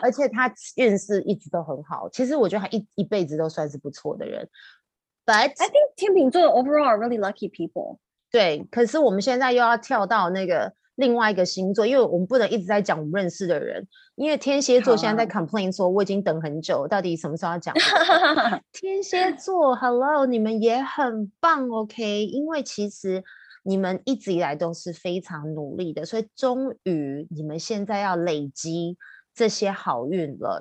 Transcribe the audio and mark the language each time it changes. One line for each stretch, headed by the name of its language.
Chinese: 而且他运势一直都很好。其实我觉得他一辈子都算是不错的人。
English: But I think 天秤座 overall are really lucky people.
Chinese: 对，可是我们现在又要跳到那个另外一个星座，因为我们不能一直在讲我们认识的人，因为天蝎座现在在 complain 说我已经等很久，到底什么时候要讲？天蝎座 ，hello， 你们也很棒 ，OK？因为其实你们一直以来都是非常努力的，所以终于你们现在要累积这些好运了。